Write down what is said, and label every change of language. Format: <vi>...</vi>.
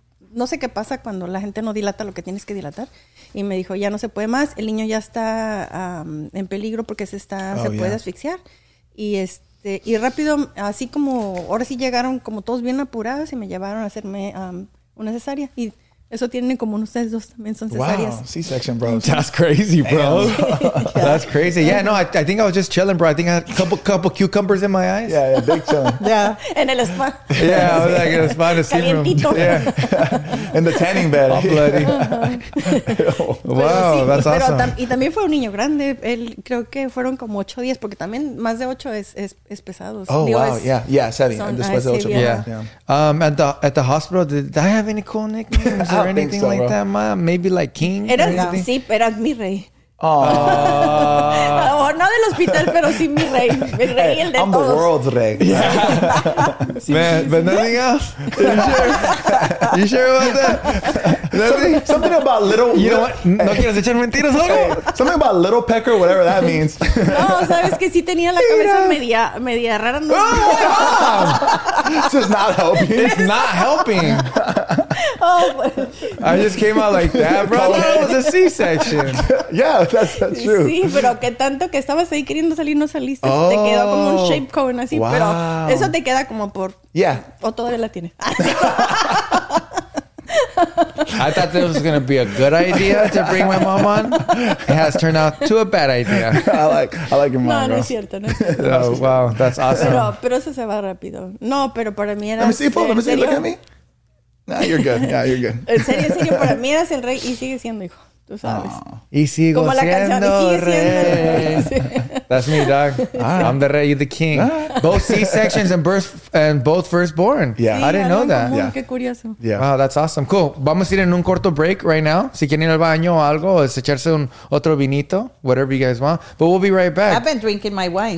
<es>No sé qué pasa cuando la gente no dilata lo que tienes que dilatar. Y me dijo, ya no se puede más, el niño ya está en peligro porque se está, puede asfixiar. Y y rápido, así como, ahora sí llegaron como todos bien apurados y me llevaron a hacerme una cesárea. Y eso tienen como ustedes dos también son cesáreas.</es> <en>Wow, C-section, bro. That's crazy, bro. That's crazy. Yeah, no, I think I was just chilling, bro. I think I had a couple cucumbers in my eyes. Yeah, yeah, big chilling.</en> <es>Yeah, en el spa.</es> <en>Yeah, I was like in a spa in the steam room. Yeah. In the tanning bed. All bloody. Wow, sí, that's awesome.</en> <es>Y también fue un niño grande. Él, creo que fueron como 8 días, porque también más de 8 es pesado.</es> <en>Oh, digo, wow, yeah, 7. And</en> <es>después de 8.</es> <en>Yeah. At the hospital, did I have any cool nicknames? Or anything so, like bro. That, Maya? Maybe like King?</en> <es>Eras, sí, eras mi rey. No del hospital, pero sí mi rey. Mi rey, el de</es> <en>I'm</en> <es>todos.</es> <en>I'm the world's rey. Yeah. Man, but nothing else? You sure about that? Something about little... You know what?</en> <es>No quieres echar mentiras, loco?</es> <en>Something about little pecker, whatever that means.</en> <es>No, sabes que sí tenía la cabeza media rara.</es> <en>No. This is not helping. It's not helping. Oh, I just came out like that, bro. I thought it was a C-section. Yeah, that's true.</en> <es>Sí, pero que tanto que estabas ahí queriendo salir, no saliste. Oh, te quedó como un shape cone así. Wow. Pero eso te queda como por...</es> <en>Yeah.</en> <es>O todavía la tiene.</es> <en>I thought this was going to be a good idea to bring my mom on. It has turned out to a bad idea. I like your mom. No, bro.</en> <es>No es cierto.</es> <en>Oh, wow, that's awesome.</en> <es>Pero eso se va rápido. No, pero para mí era...</es> <en>Let me see. Look at me. No, you're good. Yeah, you're good.</en> <es>En serio, para mí eres el rey y sigue siendo hijo. Tú sabes. Oh. Y sigo como siendo la canción, y sigue rey.</es> <en>That's me, dog. Right. I'm the rey, you're the king. Both C-sections and both firstborn. Yeah. Sí, I didn't know that.</en> <es>Yeah. Qué curioso.</es> <en>Yeah. Wow, that's awesome. Cool.</en> <es>Vamos a ir en un corto break</es> <en>right now.</en> <es>Si quieren ir al baño o algo, es echarse un otro vinito,</es> <en>whatever you guys want. But we'll be right back. I've been drinking my wine.</en>